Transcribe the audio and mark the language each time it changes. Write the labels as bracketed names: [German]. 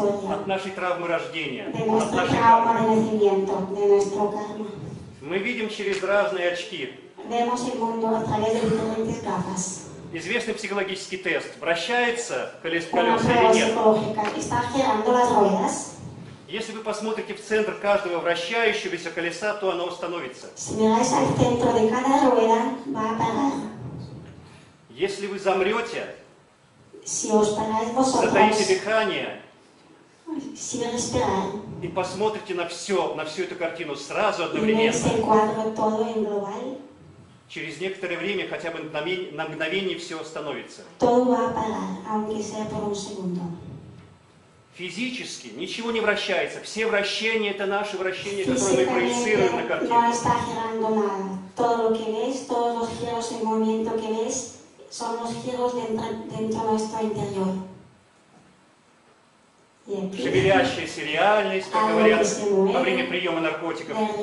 [Russian] От нашей травмы рождения. От нашей травмы. Мы видим через разные очки. [Spanish] Vemos el mundo a través de diferentes gafas. [Russian] Известный психологический тест. Вращается колесо или нет? [Spanish] Está girando las ruedas. [Russian] Если вы посмотрите в центр каждого вращающегося колеса, то оно установится. [Spanish] Si miráis al centro de cada rueda, va a parar. [Russian] Если вы замрете, [Spanish] si os paráis vosotros, [Russian] затаите дыхание, [Spanish] si respirar, [Russian] и посмотрите на всю эту картину сразу одновременно, [Spanish] y ves el cuadro todo en global, [Russian] через некоторое время, хотя бы на мгновение, все остановится. [Spanish] Todo va a parar, aunque sea por un segundo. [Russian] Физически ничего не вращается. Все вращения – это наши вращения, которые мы проецируем на картинку. [Spanish] No está girando nada. Todo lo que ves, todos los giros en movimiento que ves, son los giros dentro nuestro interior. [Russian] Шевелящаяся реальность, как говорят, во время приема наркотиков.